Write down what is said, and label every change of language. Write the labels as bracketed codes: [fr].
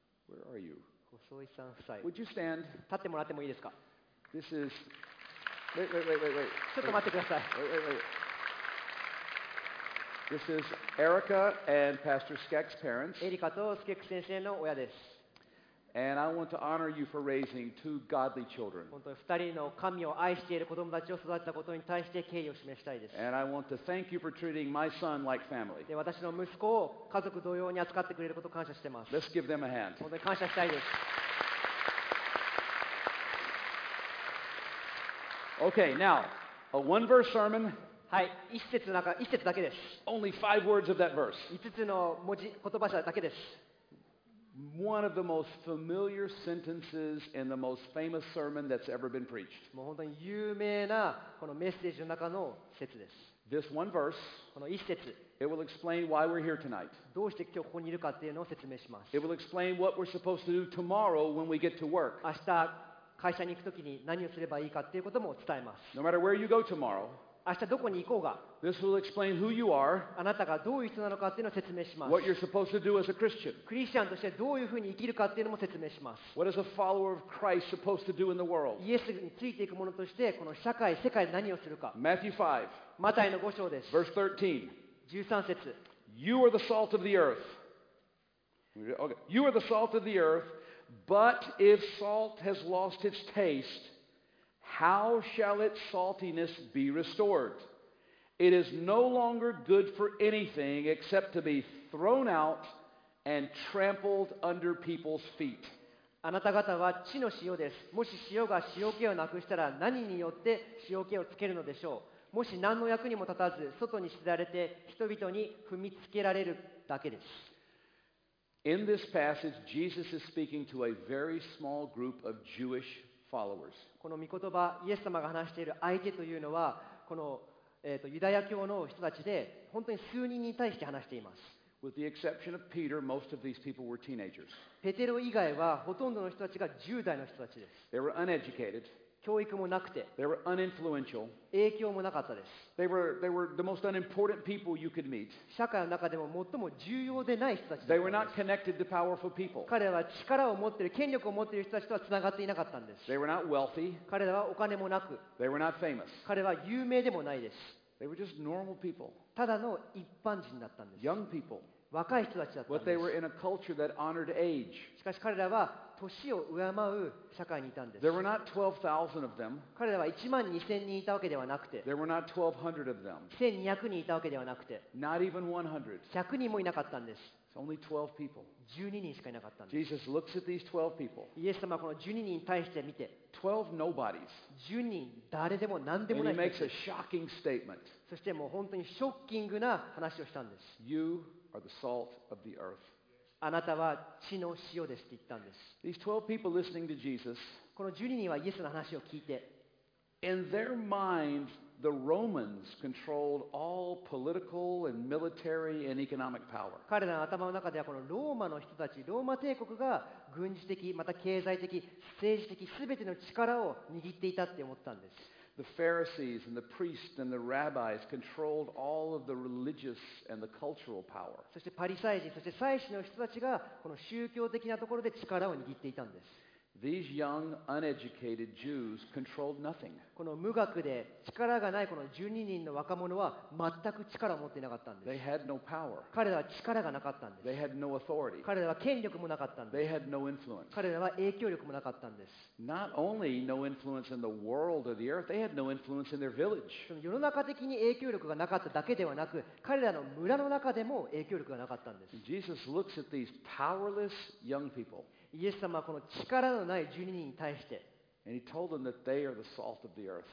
[en] Where are you? [ja] Hosoi さん夫妻。 [en] Would you stand? [ja] 立ってもらってもいいですか? [en] This is... Wait. [ja] ちょっと待ってください。 [en] Wait. This is Erica and Pastor Skek's parents. [ja] エリカとスケック先生の親です。 [en] And I want to honor you for raising two godly children. [ja] 本当に2人の神を愛している子供たちを育てたことに対して敬意を示したいです。 [en] And I want to thank you for treating my son like family. [ja] で、私の息子を家族同様に扱ってくれることを感謝しています。 [en] Let's give them a hand. [ja] 本当に感謝したいです。 [en] Okay, now, a one verse sermon. [ja] はい、一節の中、一節だけです。 [en] Only five words of that verse. [ja] 5つの文字、言葉者だけです。 [en] One of the most familiar sentences in the most famous sermon that's ever been preached. [ja] もう本当に有名なこのメッセージの中の節です。 [en] This one verse. [ja] この一節。 [en] It will explain why we're here tonight. [ja] どうして今日ここにいるかっていうのを説明します。 [en] It will explain what we're supposed to do tomorrow when we get to work. [ja] 明日会社に行くときに何をすればいいかっていうことも伝えます。 [en] No matter where you go tomorrow. [ja] 明日どこに行こうが、 [en] This will explain who you are, [ja] あなたがどういう人なのかっていうのを説明します。 [en] What you're supposed to do as a Christian. [ja] クリスチャンとしてどういうふうに生きるかっていうのも説明します。 [en] What is a follower of Christ supposed to do in the world? [ja] イエスについていく者としてこの社会、世界で何をするか。 [en] Matthew 5. [ja] マタイの5章です。 [en] Verse 13. [ja] 13節。 [en] You are the salt of the earth. Okay. You are the salt of the earth, but if salt has lost its taste,How shall its saltiness be restored? It is no longer good for anything except to be thrown out and trampled under people's feet. [ja] あなた方は地の塩です。もし塩が塩気をなくしたら何によって塩気をつけるのでしょう。もし何の役にも立たず外に捨てられて人々に踏みつけられるだけです。 [en] In this passage, Jesus is speaking to a very small group of Jewish people. Followers. [ja] この御言葉、イエス様が話している相手というのは、この、ユダヤ教の人たちで、本当に数人に対して話しています。 [en] With the exception of Peter, most of these people were teenagers. [ja] ペテロ以外は、ほとんどの人たちが10代の人たちです。 [en] They were uneducated. [ja] 教育もなくて。 [en] They were uninfluential. [ja] 影響もなかったです。 [en] They were the most unimportant people you could meet. [ja] 社会の中でも最も重要でない人たち。 [en] They were not connected to powerful people. [ja] 彼らは力を持っている、権力を持っている人たちとはつながっていなかったんです。 [en] They were not wealthy. [ja] 彼らはお金もなく。 [en] They were not famous. [ja] 彼らは有名でもないです。 [en] They were just normal people. [ja] ただの一般人だったんです。 [en] Young people. [ja] 若い人たちだったんです。 [en] But they were in a [ja] しかし彼らは年を上回る社会にいたんです。 [en] There were not 12,000 of them. [ja] 彼らは1万2千人いたわけではなくて、 [en] There were not 1,200 of them. [ja] 1200人いたわけではなくて、 [en] not even 100. [ja] 100人もいなかったんです。 [en] Only 12 people. [ja] 12人しかいなかったんです。 [en] Jesus looks at these 12 people. [ja] イエス様はこの12人に対して見て、 [en] 12 nobodies. [ja] 12人誰でも何でもない。 [en] And he makes a shocking statement. [ja] そしてもう本当にショッキングな話をしたんです。 [en] You are the salt of the earth. [ja] あなたは地の塩ですって言ったんです。 [en] These 12 people listening to Jesus. [ja] この12人はイエスの話を聞いて、 [en] In their minds, the Romans controlled all political and military and economic power. [ja] 彼らの頭の中ではこのローマの人たち、ローマ帝国が軍事的、また経済的、政治的、すべての力を握っていたって思ったんです。 [en] The Pharisees and the priests and the rabbis controlled all of the religious and the cultural power. [ja] そしてパリサイ人、そして祭司の人たちがこの宗教的なところで力を握っていたんです。 [en] These young, uneducated Jews controlled nothing. [ja] この無学で力がないこの12人の若者は全く力を持っていなかったんです。 [en] They had no power. [ja] 彼らは力がなかったんです。 [en] They had no authority. [ja] 彼らは権力もなかったんです。 [en] They had no influence. [ja] 彼らは影響力もなかったんです。 [en] Not only no influence in the world or the earth, they had no influence in their village. [ja] その世の中的に影響力がなかっただけではなく、彼らの村の中でも影響力がなかったんです。 [en] Jesus looks at these powerless young people. [ja] イエス様はこの力のない12人に対して、 [en] And he told them that they are the salt of the earth.